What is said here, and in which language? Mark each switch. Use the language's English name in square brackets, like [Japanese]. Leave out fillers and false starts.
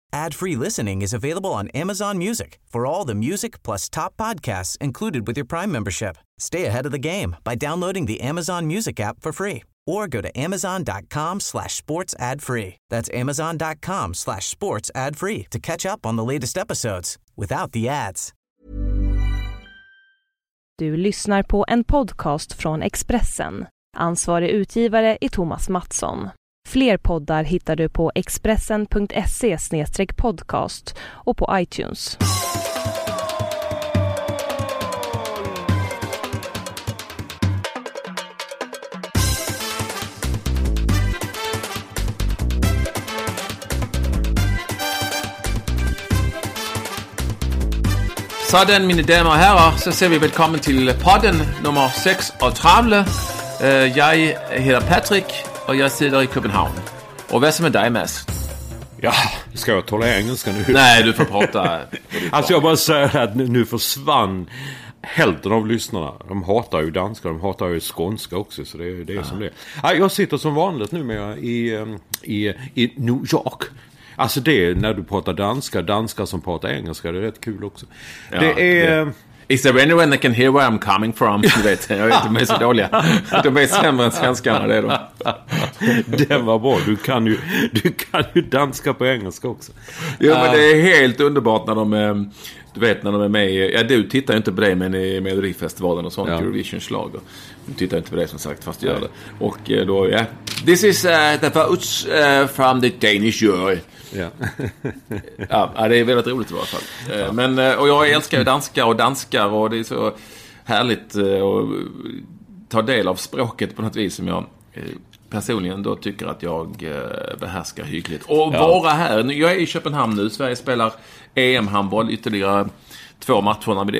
[English] Ad-free listening is available on Amazon Music for all the music plus top podcasts included with your Prime membership. Stay ahead of the game by downloading the Amazon Music app for free or go to amazon.com/sportsadfree. That's amazon.com/sportsadfree to catch up on the latest episodes without the ads. [Swedish] Du lyssnar på en podcast från Expressen. Ansvarig utgivare är Thomas Mattsson. Fler poddar hittar du på expressen.se/podcast och på iTunes. [Danish] Sådan, mine damer og herrer, så ser vi velkommen til podden nummer 36. Jeg hedder Patrick. Og jeg sidder i København. Og hvad så med dig, Mads? Ja, skal jeg tåle engelsk nu? [Swedish] Nej, du får prata. [Danish] Altså, jeg bare siger, at nu [Swedish] försvann hälften av lyssnarna. De hatar ju danska, de hatar ju skånska också, så det är det som det är. Jag sitter som vanligt nu med i New York. Alltså, det är när du pratar danska, danska som pratar engelska, det är rätt kul också. Ja, det är... Det. [English] Is there anyone that can hear where I'm coming from? [Swedish] Du vet, jag vet, de är så dåliga. De är sämre än svenskarna, det är de. Det var bra, du kan ju danska på engelska också. Jo, men det är helt underbart när de, du vet, när de är med. Ja, du tittar ju inte på det, men i Melodifestivalen och sånt, ja. Eurovision-slag. Du tittar inte på det, som sagt, fast du gör det. Och då, ja. Yeah. [English] This is the votes from the Danish jury. [Swedish] Ja. Ja, det är väldigt roligt i alla fall. Men, och jag älskar ju danskar och det är så härligt att ta del av språket på något vis som jag personligen då tycker att jag behärskar hyggligt. Och vara här, jag är i Köpenhamn nu, Sverige spelar EM-handboll ytterligare två matcher.